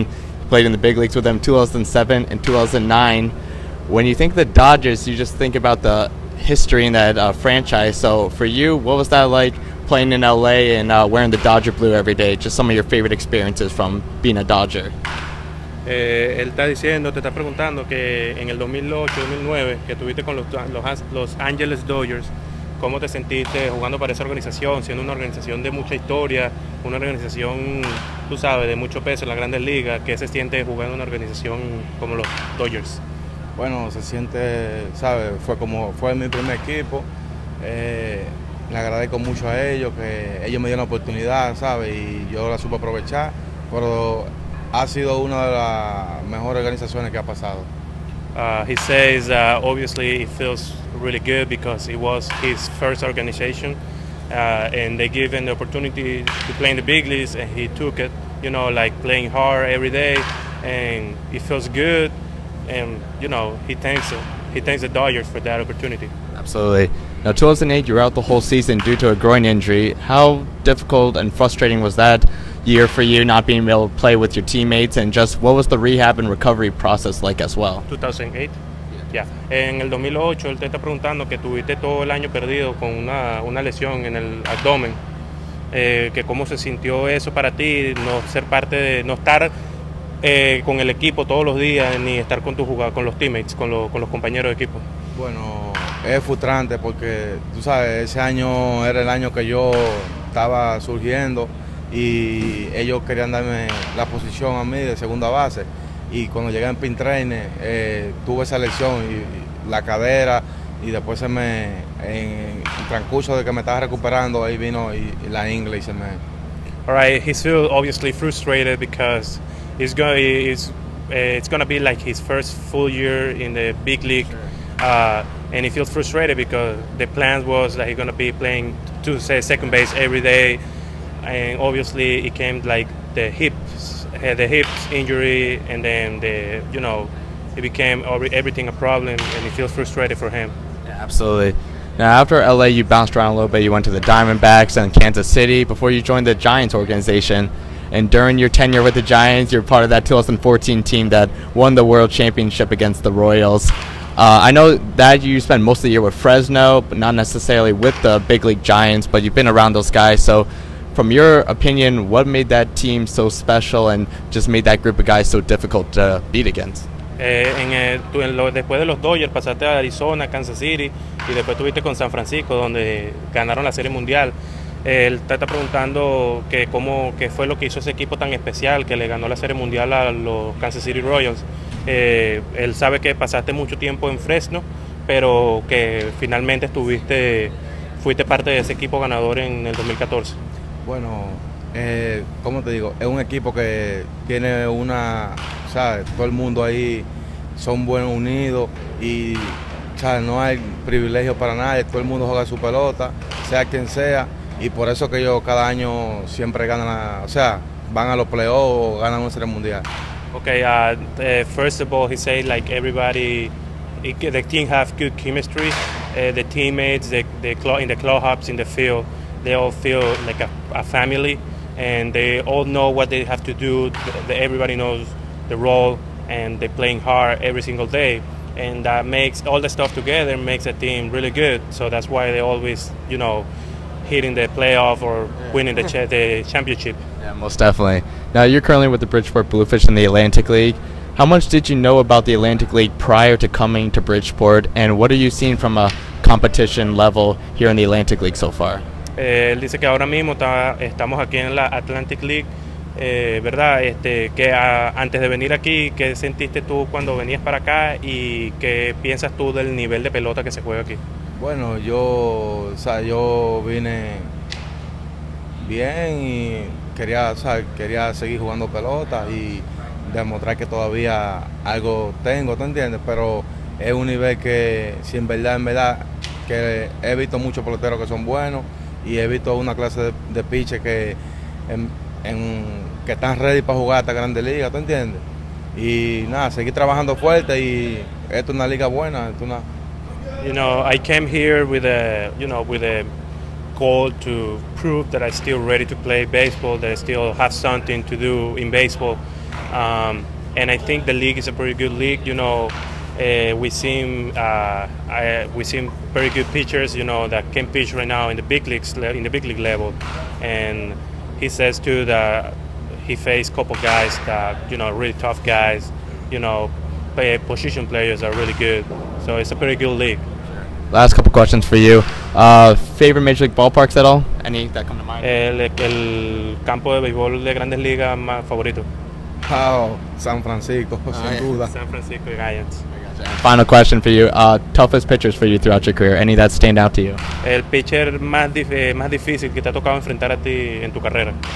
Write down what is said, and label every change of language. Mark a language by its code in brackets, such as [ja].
[en] You played in the big leagues with them 2007 and 2009. When you think of the Dodgers, you just think about the history in that franchise. So for you, what was that like playing in L.A. and wearing the Dodger blue every day? Just some of your favorite experiences from being a Dodger. [es] Él está diciendo, te está preguntando que en el 2008-2009 que tuviste con los Angeles Dodgers, ¿cómo te sentiste jugando para esa organización, siendo una organización de mucha historia, una organización, tú sabes, de mucho peso en las grandes ligas? ¿Qué se siente jugando en una organización como los Dodgers? Bueno, se siente, ¿sabes? Fue mi primer equipo. Le agradezco mucho a ellos, que ellos me dieron la oportunidad, ¿sabes? Y yo la supe aprovechar, pero ha sido una de las mejores organizaciones que ha pasado. [en] He says, obviously, it feels really good because it was his first organization, and they gave him the opportunity to play in the big leagues, and he took it, you know, like playing hard every day, and it feels good, and, you know, he thanks the Dodgers for that opportunity. Absolutely. Now, 2008, you were out the whole season due to a groin injury. How difficult and frustrating was that year for you, not being able to play with your teammates, and just what was the rehab and recovery process like as well? 2008? Yeah. [es] En el 2008, él te está preguntando que tuviste todo el año perdido con una lesión en el abdomen. Que cómo se sintió eso para ti, no ser parte de, no estar con el equipo todos los días, ni estar con tu jugada, con los teammates, con los compañeros de equipo. Bueno, es frustrante porque, tú sabes, ese año era el año que yo estaba surgiendo y ellos querían darme la posición a mí de segunda base. Y cuando llegué en pin trainer, tuve esa lesión y la cadera, y después se me, en transcurso de que me estaba recuperando, ahí vino y la ingle y se me... [en] All right, he's still obviously frustrated because it's going to be like his first full year in the big league. Sure. And he feels frustrated because the plan was that he's going to be playing to say second base every day, and obviously it came like the hips injury, and then the, you know, it became everything a problem, and he feels frustrated for him. Yeah, absolutely. Now, after LA, you bounced around a little bit. You went to the Diamondbacks and Kansas City before you joined the Giants organization. And during your tenure with the Giants, you're part of that 2014 team that won the World Championship against the Royals. I know that you spent most of the year with Fresno, but not necessarily with the big league Giants, but you've been around those guys. So from your opinion, what made that team so special and just made that group of guys so difficult to beat against? [es] Después de los Dodgers, pasaste a Arizona, Kansas City, y después tuviste con San Francisco, donde ganaron la Serie Mundial. Él está preguntando qué fue lo que hizo ese equipo tan especial que le ganó la Serie Mundial a los Kansas City Royals. Él sabe que pasaste mucho tiempo en Fresno, pero que finalmente fuiste parte de ese equipo ganador en el 2014. Bueno, como te digo, es un equipo que tiene una, ¿sabes? Todo el mundo ahí son buenos, unidos, y ¿sabes? No hay privilegio para nadie, todo el mundo juega su pelota, sea quien sea, y por eso que ellos cada año siempre ganan, van a los playoffs o ganan una Serie Mundial. [en] Okay, first of all, he said like everybody, the team have good chemistry, the teammates, in the clubhouse, in the field, they all feel like a family, and they all know what they have to do. Everybody knows the role, and they're playing hard every single day, and that makes all the stuff together makes a team really good. So that's why they always, you know, hitting the playoff or winning the championship. Yeah, most definitely. Now, you're currently with the Bridgeport Bluefish in the Atlantic League. How much did you know about the Atlantic League prior to coming to Bridgeport, and what are you seeing from a competition level here in the Atlantic League so far? [es] Él dice que ahora mismo estamos aquí en la Atlantic League, ¿verdad? Que antes de venir aquí, ¿qué sentiste tú cuando venías para acá y qué piensas tú del nivel de pelota que se juega aquí? Bueno, yo vine bien y quería seguir jugando pelota y demostrar que todavía algo tengo, ¿tú entiendes? Pero es un nivel que, si en verdad, que he visto muchos peloteros que son buenos y he visto una clase de pitcher que en que están ready para jugar esta grande liga, ¿tú entiendes? Y nada, seguir trabajando fuerte y esto es una liga buena, esto es una. [en] You know, I came here with a, you know, with a goal to prove that I'm still ready to play baseball, that I still have something to do in baseball. And I think the league is a pretty good league. You know, we seem very good pitchers. You know, that can pitch right now in the big leagues, in the big league level. And he says too that he faced a couple guys that, you know, really tough guys. You know, position players are really good. So it's a pretty good league. Last couple questions for you. Favorite major league ballparks at all? Any that come to mind? [es] El campo de béisbol de Grandes Ligas más favorito. Oh, San Francisco, sin duda. San Francisco Giants. [en] Final question for you. Toughest pitchers for you throughout your career. Any that stand out to you? [es] El pitcher más difícil que te ha tocado enfrentar a ti en tu carrera.